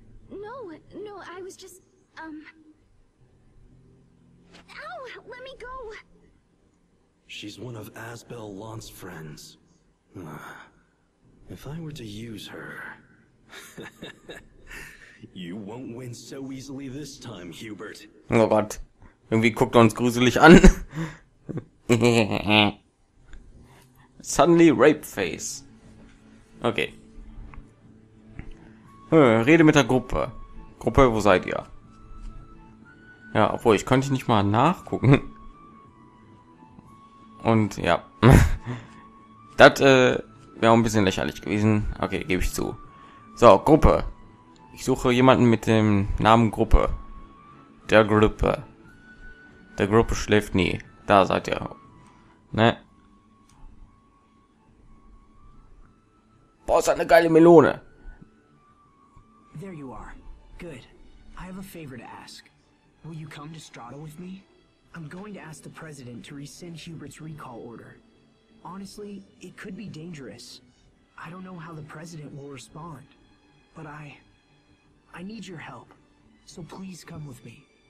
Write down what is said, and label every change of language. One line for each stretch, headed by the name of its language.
English: No, I was just, Ow, let me go! She's one of Asbel Lant's friends. If I were to use her... You won't win so easily this time, Hubert.
German: Oh Gott. Irgendwie guckt er uns gruselig an.
English: Suddenly Rape Face. Okay.
German: Rede mit der Gruppe. Gruppe, wo seid ihr? Ja, obwohl, ich könnte nicht mal nachgucken. Und ja. Das wäre ein bisschen lächerlich gewesen. Okay, gebe ich zu. So, Gruppe. Ich suche jemanden mit dem Namen Gruppe. Der Gruppe. Der Gruppe schläft nie. Da seid ihr. Ne? Boah, ist das eine geile Melone.
English: There you are. Good. I have a favor to ask. Will you come to Strada with me? I'm going to ask the president to rescind Hubert's recall order. Honestly, it could be dangerous. I don't know how the president will respond. But I need your help. So please come with me.